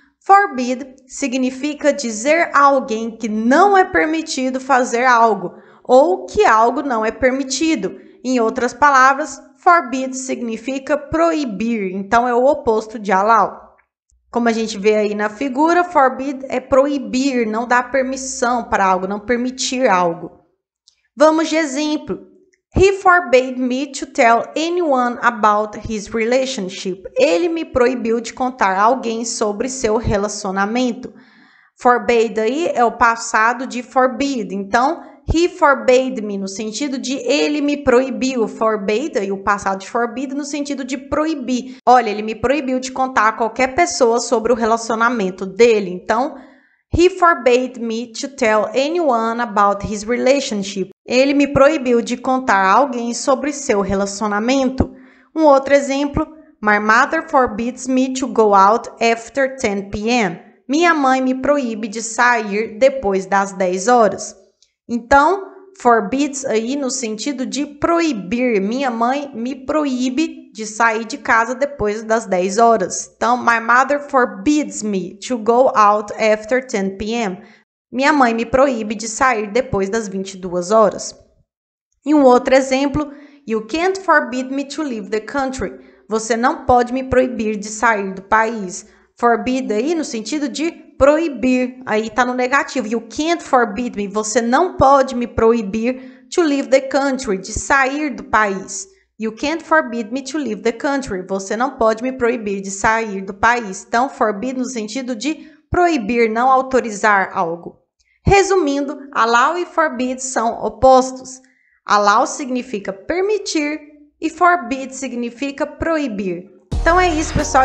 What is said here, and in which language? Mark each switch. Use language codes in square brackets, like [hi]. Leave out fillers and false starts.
[pt] Forbid significa dizer a alguém que não é permitido fazer algo ou que algo não é permitido. Em outras palavras, forbid significa proibir, então é o oposto de allow. Como a gente vê aí na figura, forbid é proibir, não dar permissão para algo, não permitir algo. Vamos de exemplo. [en] He forbade me to tell anyone about his relationship. [pt] Ele me proibiu de contar a alguém sobre seu relacionamento. Forbade aí é o passado de forbid. Então, [en] he forbade me [pt] no sentido de ele me proibiu. Forbade aí o passado de forbid no sentido de proibir. Olha, ele me proibiu de contar a qualquer pessoa sobre o relacionamento dele. [en] Então, he forbade me to tell anyone about his relationship. [pt] Ele me proibiu de contar a alguém sobre seu relacionamento. Um outro exemplo. [en] My mother forbids me to go out after 10 p.m. [pt] Minha mãe me proíbe de sair depois das 10 horas. Então, forbids aí no sentido de proibir. Minha mãe me proíbe de sair de casa depois das 10 horas. [en] Então, my mother forbids me to go out after 10 p.m. [pt] Minha mãe me proíbe de sair depois das 22 horas. E um outro exemplo. [en] You can't forbid me to leave the country. [pt] Você não pode me proibir de sair do país. Forbid aí no sentido de proibir. Aí tá no negativo. [en] You can't forbid me. [pt] Você não pode me proibir [en] to leave the country. [pt] De sair do país. [en] You can't forbid me to leave the country. [pt] Você não pode me proibir de sair do país. Então, forbid no sentido de proibir, não autorizar algo. Resumindo, allow e forbid são opostos. Allow significa permitir e forbid significa proibir. Então é isso, pessoal.